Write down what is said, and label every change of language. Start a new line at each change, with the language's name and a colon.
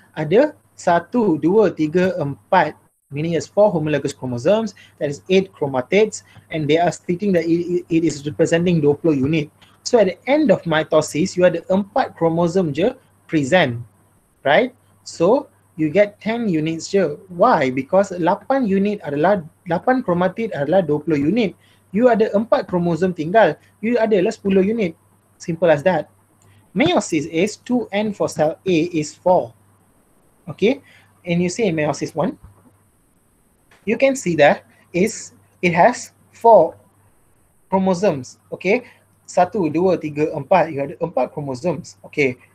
Malay: Ada
English: 1, 2, 3, 4, meaning there's 4 homologous chromosomes, that is 8 chromatids, and they are stating that it is representing 20 unit. So at the end of mitosis, you have the 4 chromosome
Malay: je,
English: present, right? So you get 10 units here. Why? Because
Malay: 8 unit adalah 8 chromatid adalah 20 unit.
English: You
Malay: ada 4 chromosome tinggal, you adalah 10 unit.
English: Simple as that. Meiosis is 2N for cell A is 4. Okay? And you see meiosis 1, you can see that is it has 4 chromosomes, okay? 1 2 3 4,
Malay: you ada
English: 4 chromosomes. Okay?